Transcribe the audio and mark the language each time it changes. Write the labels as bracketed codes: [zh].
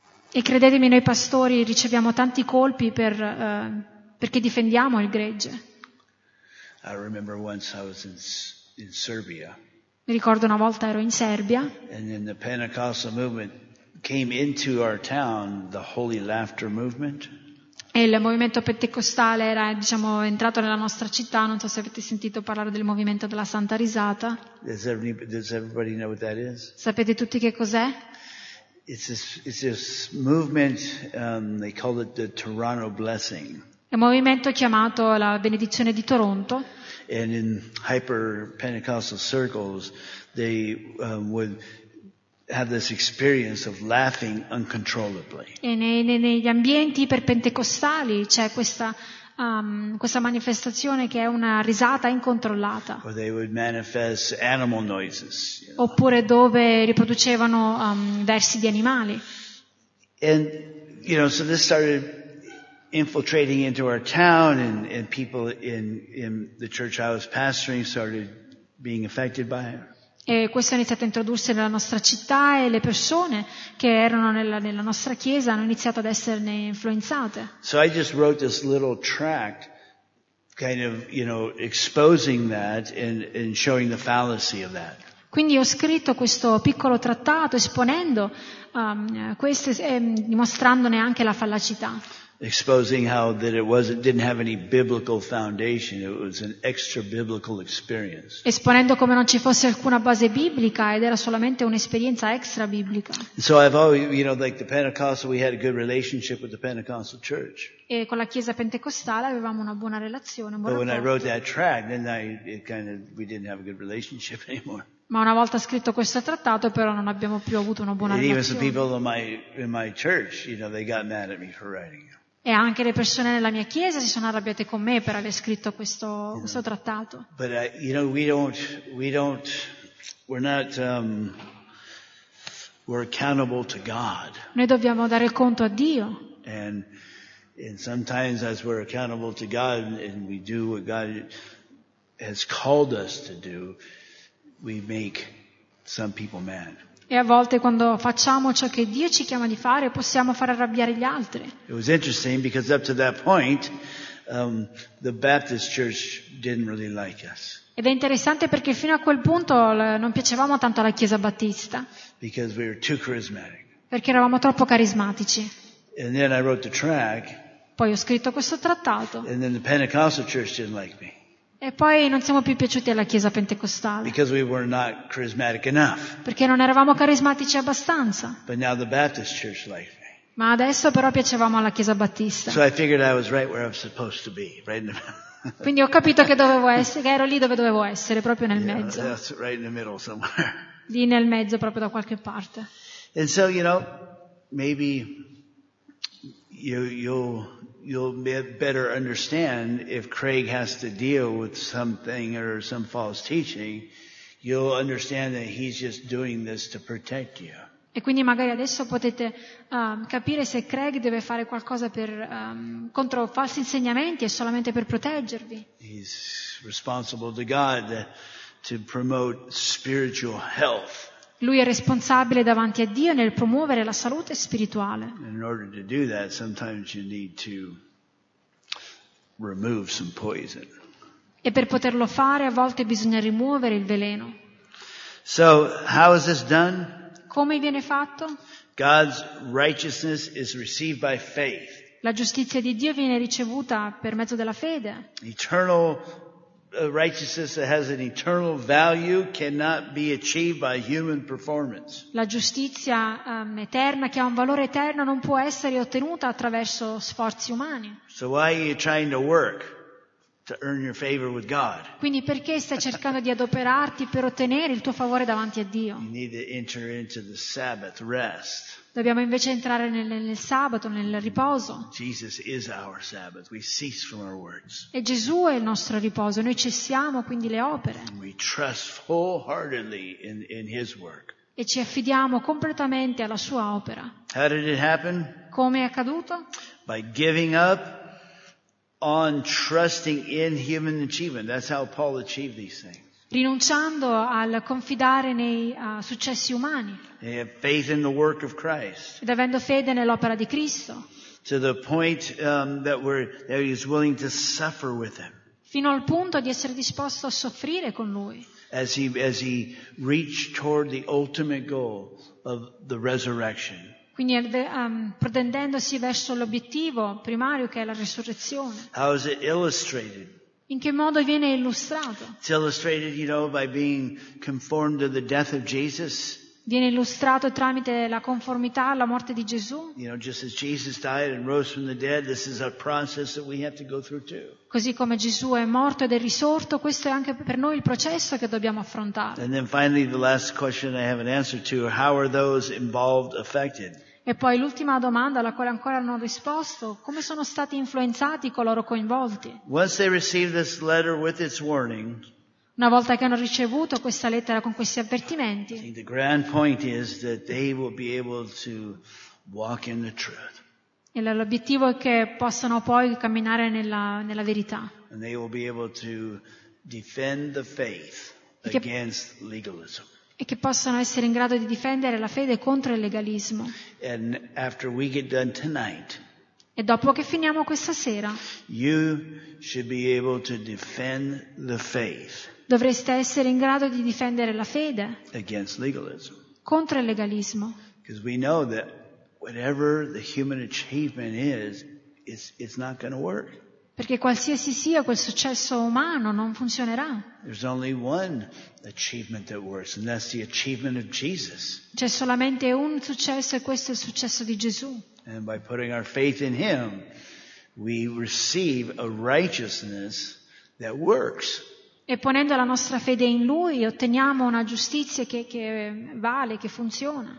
[it] E credetemi, noi pastori riceviamo tanti colpi per perché difendiamo il gregge. [en] I remember once I was in Serbia. [it] Mi ricordo una volta ero in Serbia. [en] And in the Pentecostal movement came into our town, the Holy Laughter movement. [it] E il movimento pentecostale era, diciamo, entrato nella nostra città. Non so se avete sentito parlare del movimento della Santa Risata. [en] Does everybody know what that is? [it] Sapete tutti che cos'è? [en] It's this movement. They call it the Toronto Blessing. [it] È un movimento chiamato la Benedizione di Toronto. [en] And in hyper Pentecostal circles, they would have this experience of laughing uncontrollably. [it] E negli ambienti iperpentecostali c'è questa questa manifestazione che è una risata incontrollata. [en] Or they would manifest animal noises. [it] Oppure dove riproducevano versi di animali. [en] And you know, so this started infiltrating into our town, and people in the church I was pastoring started being affected by it. [it] E questo è iniziato a introdursi nella nostra città e le persone che erano nella nostra chiesa hanno iniziato ad esserne influenzate. [en] So I just wrote this little tract kind of, you know, exposing that and showing the fallacy of that. [it] Quindi ho scritto questo piccolo trattato esponendo questo e dimostrandone anche la fallacità. [en] exposing how that it wasn't didn't have any biblical foundation. It was an extra biblical experience. [it] Esponendo come non ci fosse alcuna base biblica ed era solamente un'esperienza extra biblica. [en] So I've always, you know, like the Pentecostal, we had a good relationship with the Pentecostal church. [it] E con la chiesa pentecostale avevamo una buona relazione. [en] But when I wrote that tract, then we didn't have a good relationship anymore. [it] Ma una volta scritto questo trattato, però non abbiamo più avuto una buona relazione. E anche le persone nella mia chiesa si sono arrabbiate con me per aver scritto questo trattato. [en] But we're accountable to God. [it] Noi dobbiamo dare conto a Dio. [en] And sometimes as we're accountable to God and we do what God has called us to do, we make some people mad. [it] E a volte quando facciamo ciò che Dio ci chiama di fare, possiamo far arrabbiare gli altri. [en] It was interesting because up to that point, the Baptist church didn't really like us. [it] Ed è interessante perché fino a quel punto non piacevamo tanto alla Chiesa Battista. [en] Because we were too charismatic. [it] Perché eravamo troppo carismatici. [en] And then I wrote the track. [it] Poi ho scritto questo trattato. [en] And then the Pentecostal church didn't like me. [it] E poi non siamo più piaciuti alla Chiesa Pentecostale. [en] Because we were not charismatic enough. [it] Perché non eravamo carismatici abbastanza. [en] But now the Baptist church liked me. [it] Ma adesso però piacevamo alla Chiesa Battista. [en] So I figured I was right where I was supposed to be, right in the middle. [it] Quindi ho capito che dovevo essere, che ero lì dove dovevo essere, proprio nel mezzo. [en] That's right in the middle somewhere. [it] Lì nel mezzo, proprio da qualche parte. [en] And so, you know, maybe you'll better understand if Craig has to deal with something or some false teaching, you'll understand that he's just doing this to protect you. [it] E quindi magari adesso potete capire se Craig deve fare qualcosa per contro falsi insegnamenti e solamente per proteggervi. [en] He's responsible to God to promote spiritual health. [it] Lui è responsabile davanti a Dio nel promuovere la salute spirituale. [en] In order to do that, sometimes you need to remove some poison. [it] E per poterlo fare, a volte bisogna rimuovere il veleno. [en] So, how is this done? [it] Come viene fatto? [en] God's righteousness is received by faith. [it] La giustizia di Dio viene ricevuta per mezzo della fede. [en] Eternal righteousness that has an eternal value cannot be achieved by human performance. [it] La giustizia eterna che ha un valore eterno non può essere ottenuta attraverso sforzi umani. [en] So why are you trying to work to earn your favor with God? [it] Quindi perché stai cercando di adoperarti per ottenere il tuo favore davanti a Dio? [en] You need to enter into the Sabbath rest. [it] Dobbiamo invece entrare nel sabato, nel riposo. [en] Jesus is our Sabbath. We cease from our words. [it] E Gesù è il nostro riposo. Noi cessiamo quindi le opere. [en] And we trust wholeheartedly in His work. [it] E ci affidiamo completamente alla Sua opera. [en] How did it happen? [it] Come è accaduto? [en] By giving up on trusting in human achievement. That's how Paul achieved these things. [it] Rinunciando al confidare nei successi umani. [en] They have faith in the work of Christ. [it] Ed avendo fede nell'opera di Cristo. [en] To the point that he is willing to suffer with him. [it] Fino al punto di essere disposto a soffrire con lui. [en] As he reached toward the ultimate goal of the resurrection. [it] Quindi protendendosi verso l'obiettivo primario che è la resurrezione. [en] How is it illustrated? [it] In che modo viene illustrato? [en] It's illustrated, you know, by being conformed to the death of Jesus. [it] Viene illustrato tramite la conformità alla morte di Gesù. [en] You know, just as Jesus died and rose from the dead, this is a process that we have to go through too. [it] Così come Gesù è morto ed è risorto, questo è anche per noi il processo che dobbiamo affrontare. [en] And then finally, the last question I have an answer to: how are those involved affected? [it] E poi l'ultima domanda alla quale ancora non ho risposto, come sono stati influenzati coloro coinvolti? [en] Once they received this letter with its warning, [it] una volta che hanno ricevuto questa lettera con questi avvertimenti, [en] the grand point is that they will be able to walk in the truth. [it] E l'obiettivo è che possano poi camminare nella verità. [en] And they will be able to defend the faith against legalism. [it] E che possano essere in grado di difendere la fede contro il legalismo. [en] And after we get done tonight, [it] e dopo che finiamo questa sera, [en] you should be able to defend the faith. [it] Dovreste essere in grado di difendere la fede [en] against legalism. [it] Contro il legalismo. [en] Because we know that whatever the human achievement it's not going to work. [it] Perché qualsiasi sia quel successo umano non funzionerà. [en] There's only one achievement that works, and that's the achievement of Jesus. [it] C'è solamente un successo e questo è il successo di Gesù. [en] And by putting our faith in Him, we receive a righteousness that works. [it] E ponendo la nostra fede in Lui otteniamo una giustizia che vale, che funziona.